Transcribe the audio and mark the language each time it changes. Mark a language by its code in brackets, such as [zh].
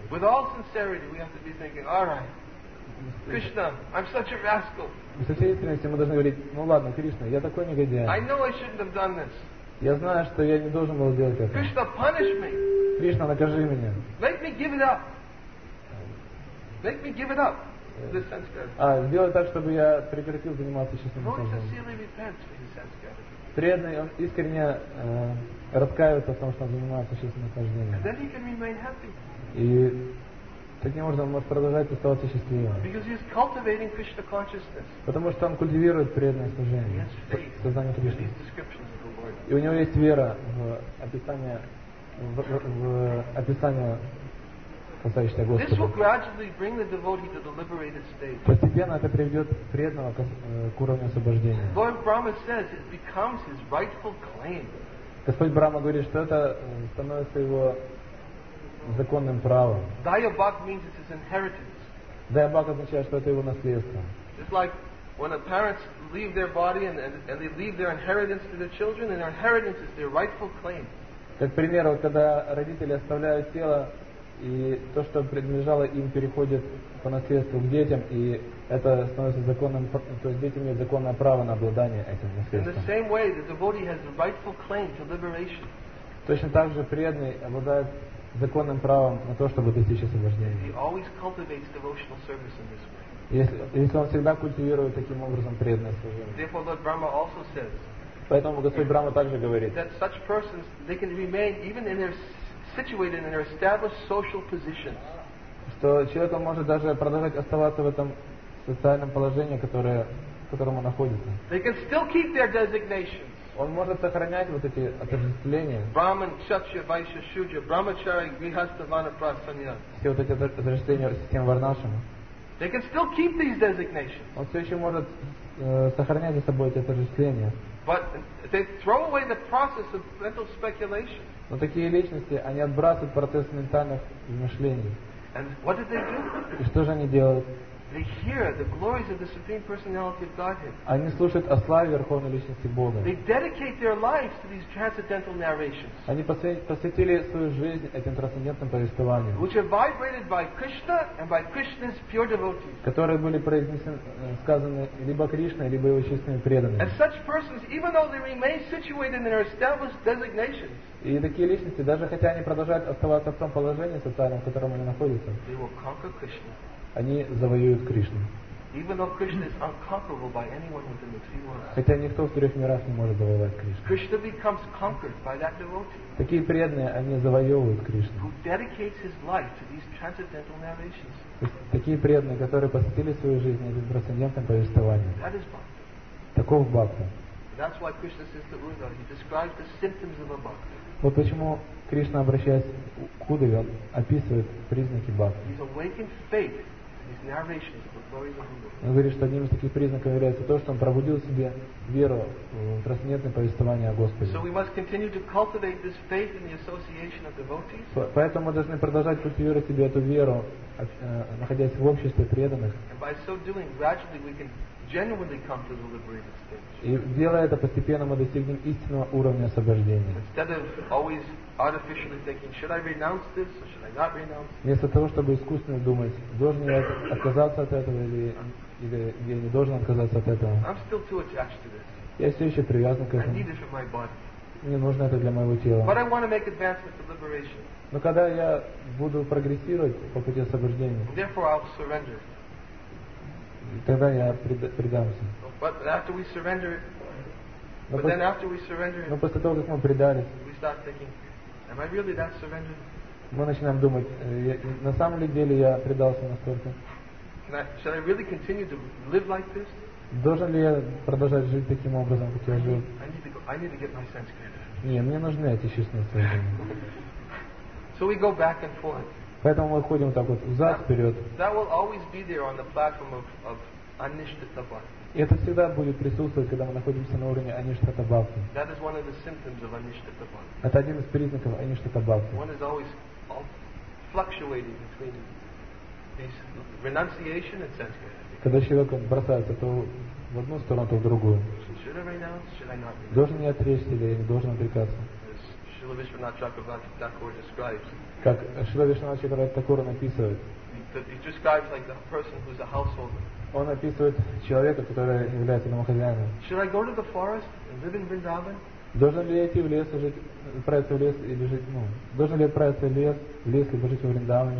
[en] With all sincerity, we have to be thinking, all right, Krishna, I'm such a rascal. [ru] Со всей искренностью мы должны говорить, ну ладно, Кришна, я такой негодяй. [en] I know I shouldn't have done this. [ru] Я знаю, что я не должен был делать это. [en] Krishna, punish me. [ru] Кришна, накажи меня. [en] Make me give it up. Make me give it up. This sense gratification. [ru] Сделай так, чтобы я прекратил заниматься чувственным наслаждением. [en] Lord sincerely repents for his sense gratification. [ru] Преданный, он искренне раскаивается в том, что он занимается счастливым наслаждением. [en] And then he can remain happy. [ru] И таким образом он может продолжать оставаться счастливым. [en] Because he is cultivating Krishna consciousness. [ru] Потому что он культивирует преданное служение. Сознание Кришны. И у него есть вера в описание касающееся Господа. [en] This will gradually bring the devotee to the liberated state. [ru] Постепенно это приведет преданного к уровню освобождения. [en] Lord Brahma says it becomes his rightful claim. [ru] Господь Брама говорит, что это становится его законным правом. [en] Dayabhag means it's his inheritance. [ru] Dayabhag означает, что это его наследство. [en] It's like when the parents leave their body and they leave their inheritance to their children, and their inheritance is their rightful claim. [ru] Как пример, вот когда родители оставляют тело, и то, что принадлежало им, переходит по наследству к детям, и это становится законным, то есть дети имеют законное право на обладание этим наследством. [en] In the same way, the devotee has the rightful claim to liberation. [ru] Точно так же преданный обладает законным правом на то, чтобы достичь освобождения. [en] He always cultivates devotional service in this way. [ru] Если он всегда культивирует таким образом преданное служение. [en] Therefore, Lord Brahma also says. [ru] Поэтому Господь Брама также говорит. [en] That such persons they can remain even in their situated in their established social positions. [ru] то человек он может даже продолжать оставаться в этом социальном положении, которое, в котором он находится. [en] They can still keep their designations. [ru] Он может сохранять вот эти отождествления. [en] Brahman, Kshatriya, Vaishya, Shudra, Brahmachari, Grihastha, Vanaprastha, Sannyasi. [ru] Все вот эти отождествления системы Варнашрама. [en] They can still keep these designations. [ru] Он все еще может сохранять за собой эти отождествления. [en] But they throw away the process of mental speculation. [ru] Но такие личности, они отбрасывают процесс ментальных измышлений. [en] And what do they do? [ru] И что же они делают? [en] They hear the glories of the Supreme Personality of Godhead. [ru] Они слушают о славе Верховной Личности Бога. [en] They dedicate their lives to these transcendental narrations. [ru] Они посвятили свою жизнь этим трансцендентным повествованиям. [en] Which are vibrated by Krishna and by Krishna's pure devotees. [ru] Которые были произнесены, сказаны либо Кришной, либо его чистыми преданными. [en] And such persons, even though they remain situated in their established designations. [ru] И такие личности, даже хотя они продолжают оставаться в том положении социальном, в котором они находятся. [en] They will conquer Krishna. [ru] Они завоюют Кришну. [en] Even though Krishna is unconquerable by anyone within the three worlds. [ru] Хотя никто в трех мирах не может завоевать Кришну. [en] Krishna becomes conquered by that devotee. [ru] Такие преданные, они завоевывают Кришну. [en] Who dedicates his life to these transcendental narrations. [ru] Такие преданные, которые посвятили свою жизнь этим трансцендентным повествованиям. [en] That is bhakti. [ru] Таков бхакти. [en] That's why Krishna says to Uddhava, he describes the symptoms of a bhakti. [ru] Вот почему Кришна, обращаясь к Удаве, он описывает признаки бхакти. [en] He's awakened faith. These narrations of the [ru] он говорит, что одним из таких признаков является то, что он пробудил в себе веру в трансцендентное повествование о Господе. [en] So we must continue to cultivate this faith in the association of devotees. [ru] Поэтому мы должны продолжать культивировать себе эту веру, находясь в обществе преданных. [en] And by so doing, gradually we can genuinely come to the liberated stage. [ru] И делая это постепенно, мы достигнем истинного уровня освобождения. [en] Instead of always artificially thinking, should I renounce this or should I not renounce? [ru] Вместо того, чтобы искусственно думать, должен я отказаться от этого или я не должен отказаться от этого? [en] I'm still too attached to this. [ru] Я все еще привязан к этому. [en] I need it for my body. [ru] Мне нужно это для моего тела. [en] But I want to make advancements of liberation. [ru] Но когда я буду прогрессировать по пути освобождения, [en] therefore I'll surrender. [ru] Тогда я предамся. [en] But after we surrender, but then after we surrender, [ru] но после того, как мы предались, [en] we start thinking, am I really that surrendered? [ru] Мы начинаем думать, на самом ли деле я предался настолько? [en] Should I really continue to live like this? [ru] Должен ли я продолжать жить таким образом, как я жил? [en] I need to get my sense clear. [ru] Не, мне нужны эти чувственные сведения. [en] So we go back and forth. [ru] Поэтому мы ходим так вот взад вперед. [en] That will always be there on the platform of anishtha bhakti. [ru] И это всегда будет присутствовать, когда мы находимся на уровне аништа бхакти. [en] That is one of the symptoms of anishtha bhakti. [ru] Это один из признаков аништа бхакти. [en] One is always fluctuating between this renunciation and sanskrit. [ru] Когда человек бросается то в одну сторону, то в другую. [en] Should I renounce? Should I not renounce? [ru] Должен я отречься или я не должен отрекаться? [en] Srila Vishwanath Chakravarti describes. [ru] Как Шрила Вишванат Чакравати Такура написывает. [en] He describes like the person who is a householder. [ru] Он описывает человека, который является домохозяином. [en] Should I go to the forest and live in Vrindavan? [ru] Должен ли я идти в лес и жить, отправиться в лес или жить, ну, должен ли отправиться в лес или жить в Вриндаване?